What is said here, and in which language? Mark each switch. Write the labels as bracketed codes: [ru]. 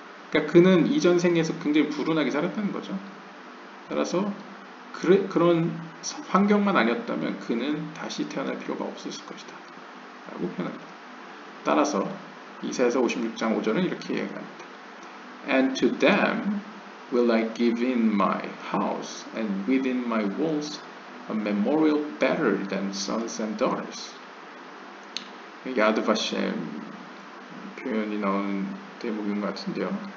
[ko] 그러니까 그는 이전 생에서 굉장히 불운하게 살았다는 거죠. 따라서 그런 환경만 아니었다면 그는 다시 태어날 필요가 없었을 것이다 라고 표현합니다. 따라서 이사야서 56장 5절은 이렇게 이야기합니다. [en] And to them will I give in my house and within my walls a memorial better than sons and daughters. [ko] 야드바셈 표현이 나오는 대목인 것 같은데요.